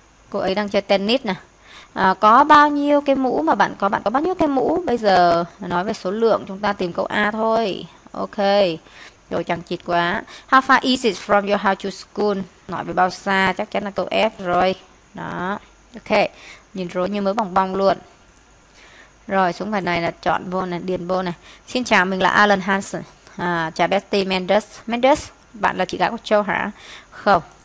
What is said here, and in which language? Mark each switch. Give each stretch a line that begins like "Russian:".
Vietnamese: Cô ấy đang chơi tennis nè. Có bao nhiêu cái mũ mà bạn có? Bạn có bao nhiêu cái mũ? Bây giờ nói về số lượng, chúng ta tìm câu A thôi. Ok. Rồi chẳng chịt quá.
English: How far is it from your house to school?
Vietnamese: Nói về bao xa, chắc chắn là câu F rồi. Đó. Ok. Nhìn rối như mới bong bong luôn. Rồi xuống bài này là chọn vô này, điền vô này. Xin chào, mình là Alan Hansen. Chào Betty Mendes. Mendes, bạn là chị gái của Châu hả? Không.